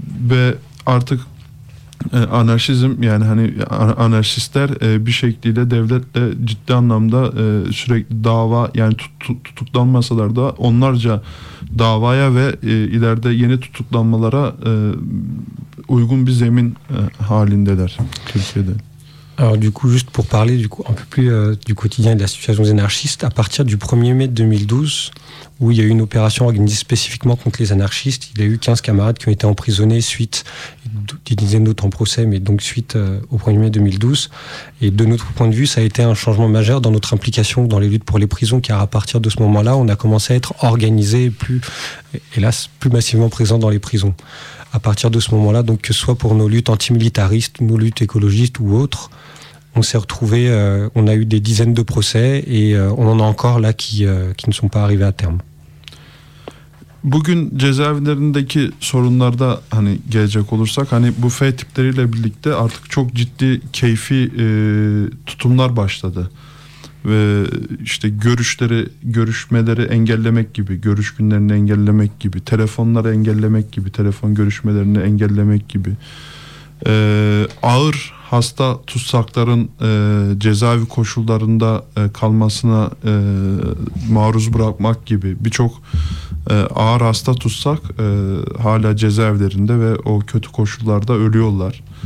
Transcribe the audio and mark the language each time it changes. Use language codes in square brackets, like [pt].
[tr] Ve artık anarşizm, yani hani anarşistler bir şekilde devletle ciddi anlamda sürekli dava, yani tutuklanmasalar da onlarca davaya ve ileride yeni tutuklanmalara uygun bir zemin halindeler Türkiye'de. [fr] Alors du coup, juste pour parler du coup un peu plus du quotidien de la situation des anarchistes, à partir du 1er mai 2012, où il y a eu une opération organisée spécifiquement contre les anarchistes, il y a eu 15 camarades qui ont été emprisonnés suite, des dizaines d'autres en procès, mais donc suite au 1er mai 2012. Et de notre point de vue, ça a été un changement majeur dans notre implication dans les luttes pour les prisons, car à partir de ce moment-là, on a commencé à être organisé, plus, hélas, plus massivement présent dans les prisons. À partir de ce moment-là, donc, que ce soit pour nos luttes antimilitaristes, nos luttes écologistes ou autres, on s'est retrouvés, on a eu des dizaines de procès et on en a encore là qui ne sont pas arrivés à terme. [tr] Bugün cezaevlerindeki sorunlarda hani gelecek olursak, hani bu F tipleriyle birlikte artık çok ciddi keyfi tutumlar başladı. Ve işte görüşmeleri engellemek gibi, görüş günlerini engellemek gibi, telefonları engellemek gibi, telefon görüşmelerini engellemek gibi, ağır hasta tutsakların cezaevi koşullarında kalmasına maruz bırakmak gibi, birçok ağır hasta tutsak hala cezaevlerinde ve o kötü koşullarda ölüyorlar.